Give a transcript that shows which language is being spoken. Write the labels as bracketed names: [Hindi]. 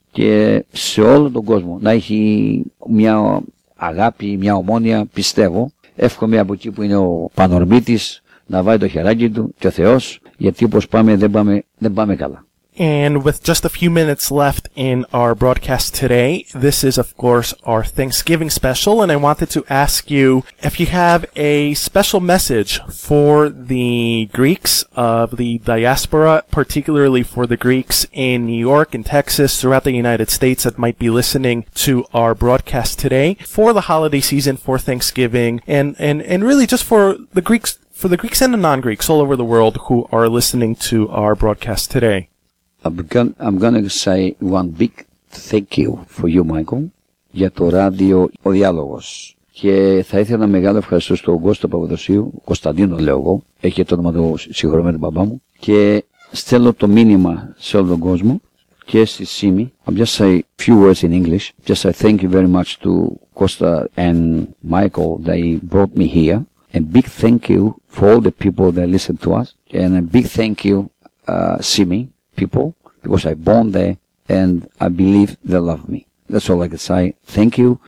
[Greek] Και σε όλο τον κόσμο να έχει μια αγάπη, μια Ομόνοια, πιστεύω. Εύχομαι από εκεί που είναι ο Πανορμίτης να βάλει το χεράκι του και ο Θεός, γιατί όπως πάμε δεν πάμε καλά. [English] And with just a few minutes left in our broadcast today, this is of course our Thanksgiving special, and I wanted to ask you if you have a special message for the Greeks of the diaspora, particularly for the Greeks in New York and Texas throughout the United States that might be listening to our broadcast today for the holiday season, for Thanksgiving, and really just for the Greeks, and the non-Greeks all over the world who are listening to our broadcast today. I'm going to say one big thank you for you, Michael, [Greek] για το ράδιο Ο Διάλογος. Και θα ήθελα ένα μεγάλο ευχαριστώ στον Κώστα Παπαδοσίου, Κωνσταντίνο λέω εγώ, έχει το όνομα του συγχωρούμε τον παπά μου, και στέλνω το μήνυμα σε όλο τον κόσμο και στη Σίμη. [English] I'm just say a few words in English. Just say thank you very much to Costa and Michael that he brought me here. A big thank you for all the people that listen to us. And a big thank you, Σίμη. People, because I born there and I believe they love me. That's all I can say. Thank you.